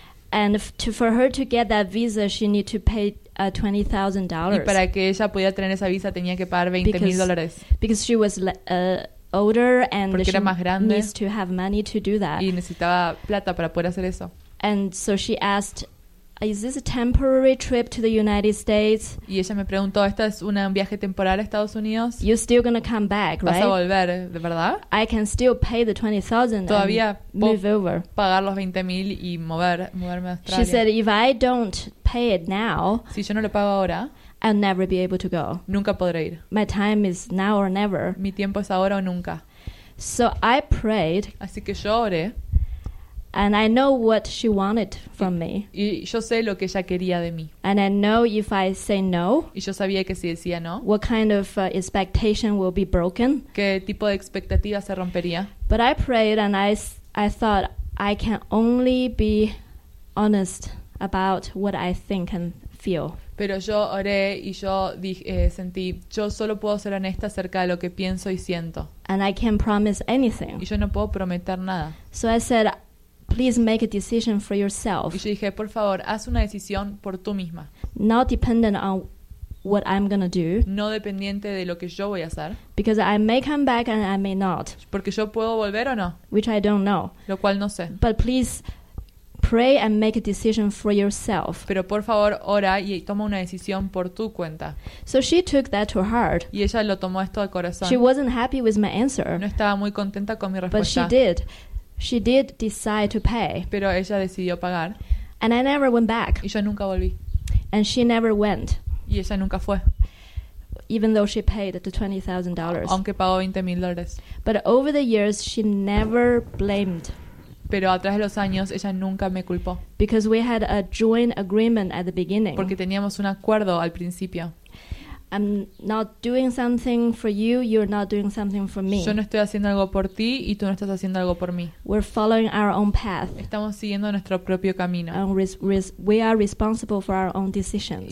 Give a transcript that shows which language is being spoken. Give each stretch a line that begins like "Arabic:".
English: And for her to get that visa, she need to pay $20,000.
Spanish: Y para que ella pudiera tener esa visa tenía que pagar $20,000.
English: Because she was older and
Spanish: porque
English: she
Spanish: era más grande,
English: needs to have money to do that.
Spanish: Y necesitaba plata para poder hacer eso.
English: And so she asked, is this a temporary trip to the United States?
Spanish: Y ella me preguntó, ¿esto es un viaje temporal a Estados Unidos?
English: You're still gonna come back,
Spanish: ¿vas
English: right?
Spanish: a volver, de verdad?
English: I can still pay the $20,000.
Spanish: Todavía
English: and move over.
Spanish: Pagar los 20,000 y moverme a Australia.
English: She said, if I don't pay it now,
Spanish: si yo no lo pago ahora,
English: I'll never be able to go.
Spanish: Nunca podré ir.
English: My time is now or never.
Spanish: Mi tiempo es ahora o nunca.
English: So I prayed.
Spanish: Así que yo oré.
English: And I know what she wanted from me.
Spanish: Y yo sé lo que ella quería de mí.
English: And I know if I say no.
Spanish: Y yo sabía que si decía no.
English: What kind of expectation will be broken?
Spanish: ¿Qué tipo de expectativa se rompería?
English: But I prayed and I thought I can only be honest about what I think and feel.
Spanish: Pero yo oré y yo sentí, yo solo puedo ser honesta acerca de lo que pienso y siento.
English: And I can't promise anything.
Spanish: Y yo no puedo prometer nada.
English: So I said, please make a decision for yourself.
Spanish: Y yo dije, por favor, haz una decisión por tú misma.
English: Not dependent on what I'm gonna do.
Spanish: No dependiente de lo que yo voy a hacer.
English: Because I may come back and I may not.
Spanish: Porque yo puedo volver o no.
English: Which I don't know.
Spanish: Lo cual no sé.
English: But please pray and make a decision for yourself.
Spanish: Pero por favor, ora y toma una decisión por tu cuenta.
English: So she took that to heart.
Spanish: Y ella lo tomó esto al corazón.
English: She wasn't happy with my answer.
Spanish: No estaba muy contenta con mi respuesta.
English: But she did. She did decide to pay.
Spanish: Pero ella decidió pagar.
English: And I never went back.
Spanish: Y yo nunca volví.
English: And she never went.
Spanish: Y ella nunca fue.
English: Even though she paid the $20,000.
Spanish: Aunque pagó $20,000.
English: But over the years, she never blamed.
Spanish: Pero a través de los años, ella nunca me culpó.
English: Because we had a joint agreement at the beginning.
Spanish: Porque teníamos un acuerdo al principio.
English: I'm not doing something for you, you're not doing something for me.
Spanish: Yo no estoy haciendo algo por ti y tú no estás haciendo algo por mí.
English: We're following our own path.
Spanish: Estamos siguiendo nuestro propio camino.
English: And we are responsible for our own decisions.